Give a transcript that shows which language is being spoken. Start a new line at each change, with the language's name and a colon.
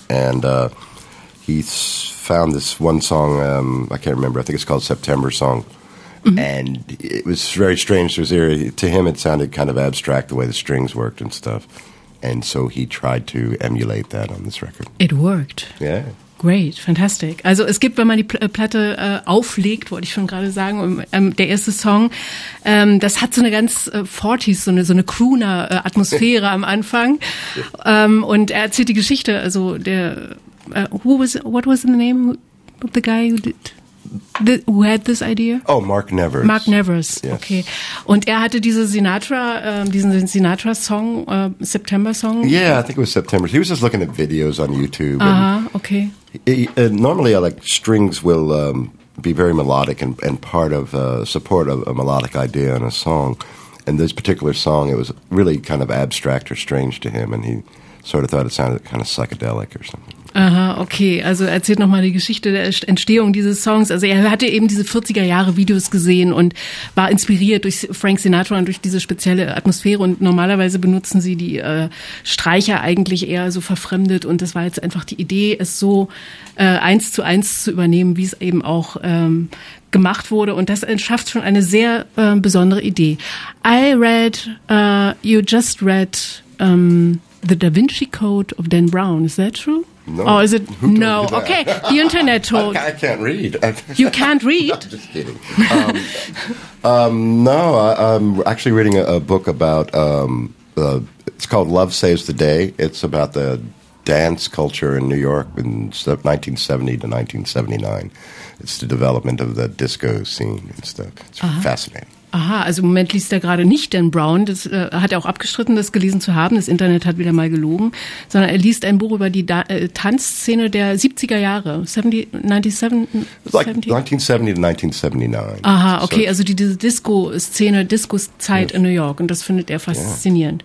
English: And he found this one song, I can't remember, I think it's called September Song. Mm-hmm. And it was very strange to his ear. To him, it sounded kind of abstract, the way the strings worked and stuff. And so he tried to emulate that on this record. It worked. Yeah. Great, fantastic.
German: Also es gibt, wenn man die Platte auflegt, wollte ich schon gerade sagen, der erste Song, das hat so eine ganz 40s, so eine Crooner-Atmosphäre am Anfang. Und er erzählt die Geschichte, also der,
English: what was the name of the guy who did... Who had this idea? Oh, Mark Nevers. Mark Nevers, yes. Okay.
German: Und er hatte diesen Sinatra-Song, September-Song?
English: Yeah, I think it was September. He was just looking at videos on YouTube. Ah, uh-huh, okay. Normally, like strings will be very melodic and part of support of a melodic idea in a song. And this particular song, it was really kind of abstract or strange to him, and he sort of thought it sounded kind of psychedelic or something. Aha, okay.
German: Also erzählt nochmal die Geschichte der Entstehung dieses Songs. Also er hatte eben diese 40er-Jahre-Videos gesehen und war inspiriert durch Frank Sinatra und durch diese spezielle Atmosphäre. Und normalerweise benutzen sie die Streicher eigentlich eher so verfremdet. Und das war jetzt einfach die Idee, es so eins zu eins zu übernehmen, wie es eben auch gemacht wurde. Und das schafft schon eine sehr besondere Idee.
English: I read, you just read The Da Vinci Code of Dan Brown. Is that true? No. Oh, is it? No. Okay. The internet told. I can't read. You can't read? No, just kidding. no, I'm actually reading a book about, it's called Love Saves the Day. It's about the dance culture in New York in 1970 to 1979. It's the development of the disco scene and stuff. It's fascinating.
German: Aha, also im Moment liest er gerade nicht Dan Brown, das hat er auch abgestritten, das gelesen zu haben, das Internet hat wieder mal gelogen, sondern er liest ein Buch über die Tanzszene der 70er Jahre,
English: 1970 to 1979.
German: Aha, okay, also diese Disco-Szene, Disco-Zeit in New York, und das findet er faszinierend.